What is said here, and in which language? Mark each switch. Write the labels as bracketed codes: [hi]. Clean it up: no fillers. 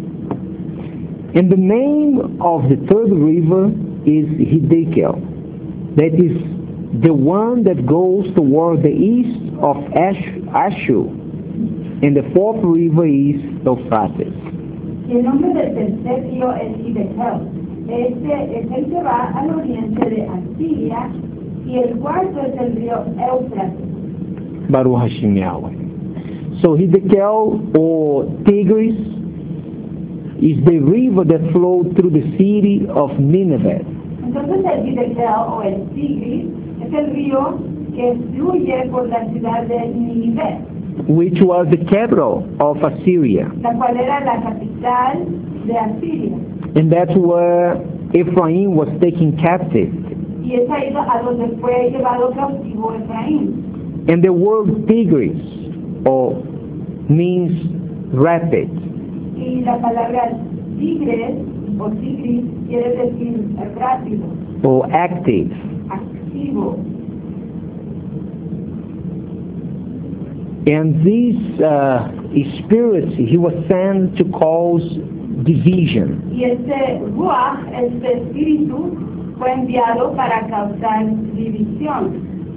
[en] and the name of the third river is Hidekel, that is the one that goes toward the east of Ashur, and the fourth river is Euphrates. [es] El nombre del tercer río es Hidekel. Este es el que va al oriente de Asiria, y el cuarto es el río Eufrates. [he] Baruch Hashem Yahweh. [en] So Hidekel or Tigris is the river that flowed through the city of Nineveh. [es] Entonces el Hidekel o el Tigris es el río que fluye por la ciudad de Nineveh, [en] which was the capital of Assyria, [es] la cual era la capital de Asiria. [en] And that's where Ephraim was taken captive. [es] Y es ahí a donde fue llevado cautivo Ephraim. [en] And the word Tigris or means rapid. [es] Y la palabra tigre o tigris quiere decir rápido. [en] Or active. [es] Activo. [en] And these spirits, he was sent to cause division. [es] Y este ruach, este espíritu, fue enviado para causar división.